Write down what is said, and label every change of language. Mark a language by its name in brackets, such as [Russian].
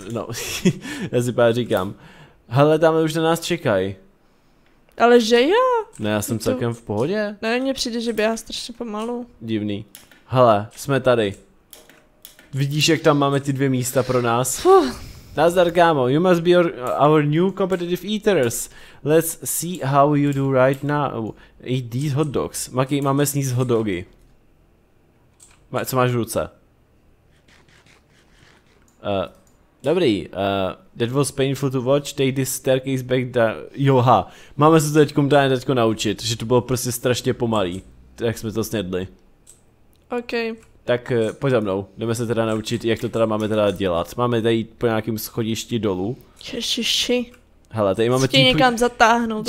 [Czech] No, já si právě říkám. Hele, tam už na nás čekají. Ale že jo? Ne, já jsem celkem v pohodě. Ne, mně přijde, že běhá strašně pomalu. Divný. Hele, jsme tady. Vidíš, jak tam máme ty dvě místa pro nás? Nazdar, kámo. [English] You must be our new competitive eaters. Let's see how you do right now. Eat these hot dogs. [Czech] Maky, máme sníst hot dogy. Co máš v ruce? Dobrý, [English] that was painful to watch, take this staircase back down. [Czech] Joha, máme se to teďko naučit, že to bylo prostě strašně pomalý, jak jsme to snědli. Okej. Okay. Tak pojď za mnou, jdeme se teda naučit, jak to teda máme teda dělat. Máme tady po nějakém schodišti dolů. Ježiši. Hele, tady máme tím... někam zatáhnout